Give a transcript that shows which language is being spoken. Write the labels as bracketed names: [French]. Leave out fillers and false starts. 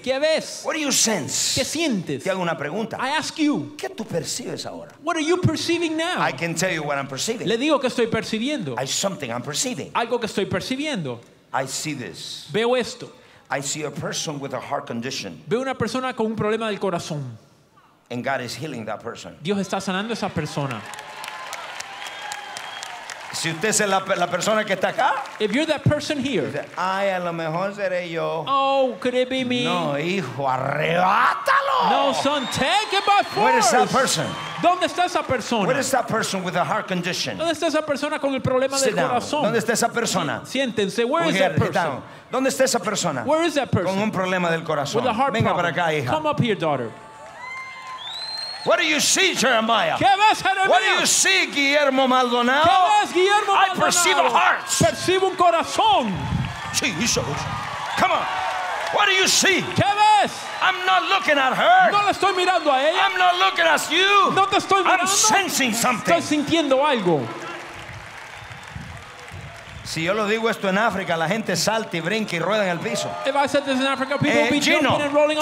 [Spanish] ¿Qué ves? [English] What do you sense? [Spanish] ¿Qué sientes? Te hago una pregunta. [English] I ask you. [Spanish] ¿Qué tú percibes ahora? [English] What are you perceiving now? I can tell you what I'm perceiving. [Spanish] Le digo que estoy percibiendo. [English] I something I'm perceiving. [Spanish] Algo que estoy percibiendo. [English] I see this. [Spanish] Veo esto. [English] I see a person with a heart condition. [Spanish] Veo una persona con un problema del corazón. [English] And God is healing that person. [Spanish] Dios está sanando esa persona. Si usted es la persona que está acá, [English] If you're that person here, [Spanish] ay, a lo mejor seré yo. [English] Oh, could it be me? [Spanish] No, hijo, arrebátalo. [English] No, son, take it by force. Where is that person? [Spanish] ¿Dónde está esa persona? [English] Where is that person with a heart condition? [Spanish] ¿Dónde está esa persona con el problema [English] sit [Spanish] del [English] down. [Spanish] Corazón? ¿Dónde está esa persona? Siéntense. Where is that person? ¿Dónde está esa persona? [English] Where is that person? [Spanish] Con un problema del corazón. [English] With a heart [Spanish] venga [English] problem. [Spanish] Para acá, hija. [English] Come up here, daughter. What do you see, Jeremiah? [Spanish] ¿Qué ves, Jeremiah? [English] What do you see, Guillermo Maldonado? [Spanish] ¿Qué ves, Guillermo Maldonado? [English] I perceive a heart. [Spanish] Percibo un corazón. [English] Jesus. Come on. What do you see? [Spanish] ¿Qué ves? [English] I'm not looking at her. [Spanish] No la estoy mirando a ella. [English] I'm not looking at you. [Spanish] No te estoy mirando. [English] I'm sensing something. [Spanish] Estoy sintiendo algo. Si yo lo digo esto en África, la gente salta y brinca y rueda en el piso. [English] If I said this in Africa, people would be jumping and rolling